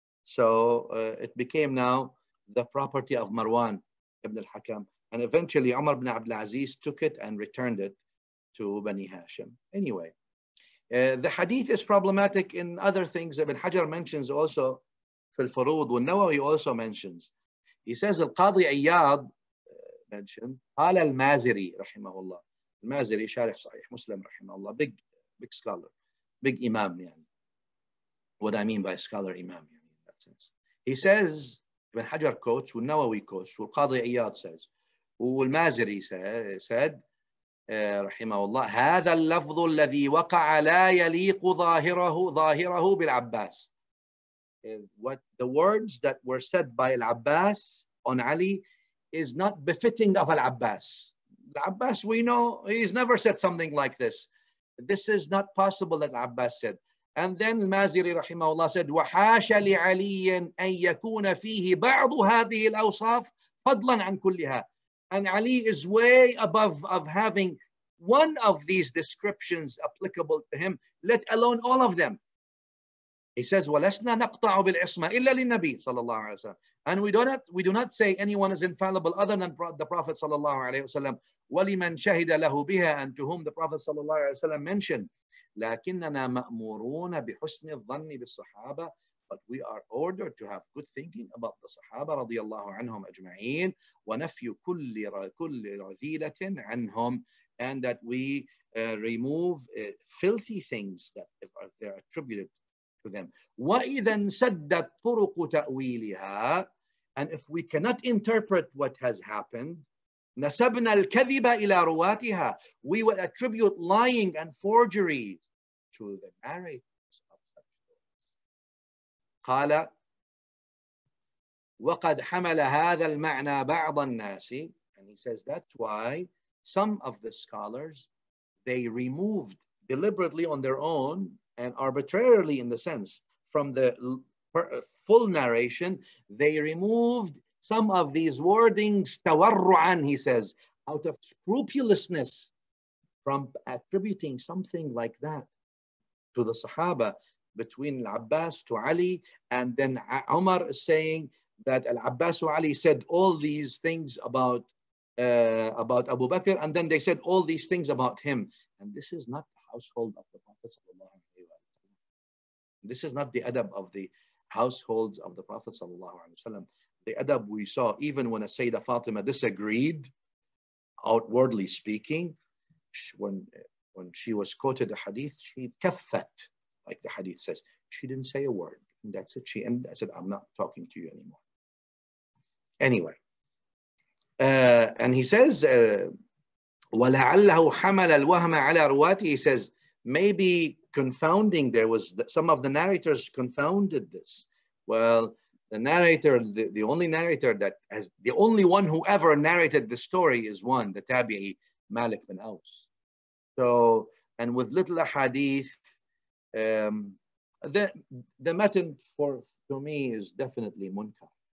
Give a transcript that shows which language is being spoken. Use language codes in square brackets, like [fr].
[en] So it became now the property of Marwan ibn al-Hakam, and eventually Umar ibn Abdul Aziz took it and returned it to Bani Hashim. Anyway. The hadith is problematic in other things. Ibn Hajar mentions also fil furud, and Nawawi also mentions. He says al-Qadi Ayyad mentioned [ar] قال المازري رحمه الله. المازري شارح صحيح مسلم رحمه الله. [en] Big scholar, big imam. What I mean by scholar imam, that's sense. He says, Ibn Hajar quotes, Ibn Nawawi quotes, Ibn Qadi Iyad says, Ibn Maziri said, Rahimahullah, [ar] هذا اللفظ الذي وقع لا يليق ظاهره بالعباس. [en] What the words that were said by Al-Abbas on Ali is not befitting of Al-Abbas. Al-Abbas, we know, he's never said something like this. This is not possible that Al-Abbas said. And then Al-Maziri rahimahullah said, [ar] وحاش لعلي أن يكون فيه بعض هذه الأوصاف فضلا عن كلها. [en] And Ali is way above of having one of these descriptions applicable to him, let alone all of them. He says, [ar] وَلَسْنَا نَقْطَعُ بِالْعِصْمَةِ إِلَّا لِلنَّبِيِّ صَلَى اللَّهُ عَلَيْهِ وَسَلَّمَ. [en] And we do not say anyone is infallible other than the Prophet [ar] صلى الله عليه وسلم. وَلِمَنْ شَهِدَ لَهُ بِهَا. [en] And to whom the Prophet [ar] صلى الله عليه وسلم [en] mentioned. [ar] لَكِنَّنَا مَأْمُورُونَ بِحُسْنِ الظَّنِّ بِالصَّحَابَةِ. [en] But we are ordered to have good thinking about the Sahaba radiallahu anhum ajma'een, [ar] wa nafyu kulli radhilatin anhum, [en] and that we remove filthy things that are attributed to them. [ar] Wa idhan saddat turuq ta'wiliha, [en] and if we cannot interpret what has happened, [ar] nasabna al-kadhiba ila ruwatiha, [en] we will attribute lying and forgery to the narrator. [ar] قال وقد حمل هذا المعنى بعض الناس. [en] And he says that's why some of the scholars, they removed deliberately on their own and arbitrarily in the sense from the full narration, they removed some of these wordings tawarru'an, he says, out of scrupulousness from attributing something like that to the Sahaba. Between Al-Abbas to Ali, and then Umar saying that Al-Abbas to Ali said all these things about Abu Bakr, and then they said all these things about him. And this is not the household of the Prophet sallallahu alaihi wasallam. This is not the adab of the households of the Prophet sallallahu alaihi wasallam. The adab we saw even when a Sayyida Fatima disagreed, outwardly speaking, when she was quoted a hadith, she kaffat. Like the hadith says, she didn't say a word. And that's it. And I said, I'm not talking to you anymore. Anyway. And he says, [ar] وَلَعَلَّهُ حَمَلَ الْوَهْمَ عَلَى رُوَاتِهِ. [en] He says, maybe confounding, there was some of the narrators confounded this. Well, the narrator, the only narrator that has, the only one who ever narrated the story is one, the tabi'i, Malik bin Aus. So, and with little hadith, the matin for to me is definitely munkar.